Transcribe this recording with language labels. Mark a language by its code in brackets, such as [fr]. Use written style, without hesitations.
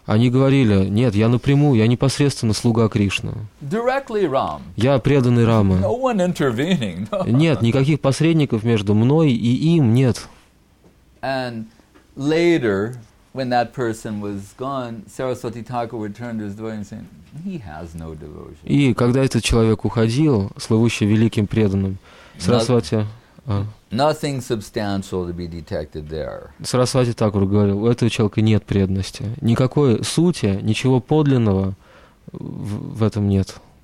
[ru] Они говорили, нет, я напрямую, я непосредственно слуга Кришны. [en] Directly, Ram. [ru] Я преданный Рама. [en] No one intervening. No. [ru] Нет, никаких посредников между мной и им нет. [en] And later, when that person was gone, Saraswati Thakur would turn to his devotee and say, he has no devotion. [ru] И когда этот человек уходил, славущий великим преданным, Сарасвати... [en] Nothing substantial to be detected there. [ru] Сарасвати Такур говорил, у этого человека нет преданности. Никакой сути, ничего подлинного в этом нет.